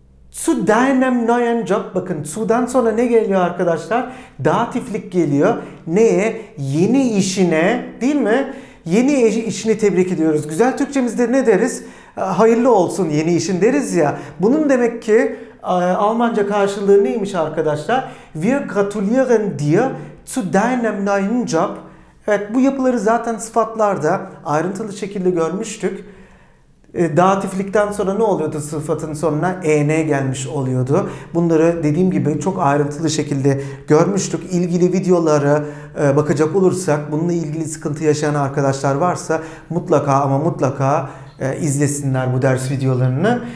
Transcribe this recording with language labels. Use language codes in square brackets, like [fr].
[de] Zu deinem neuen Job. [tr] Bakın zu'dan sonra ne geliyor arkadaşlar? Datiflik geliyor. Neye? Yeni işine, değil mi? Yeni işini tebrik ediyoruz. Güzel Türkçemizde ne deriz? Hayırlı olsun yeni işin deriz ya. Bunun demek ki Almanca karşılığı neymiş arkadaşlar? [de] Wir gratulieren dir zu deinem neuen Job. [tr] Evet, bu yapıları zaten sıfatlarda ayrıntılı şekilde görmüştük. Datiflikten sonra ne oluyordu sıfatın sonuna? En gelmiş oluyordu. Bunları dediğim gibi çok ayrıntılı şekilde görmüştük. İlgili videoları bakacak olursak, bununla ilgili sıkıntı yaşayan arkadaşlar varsa mutlaka ama mutlaka izlesinler bu ders videolarını.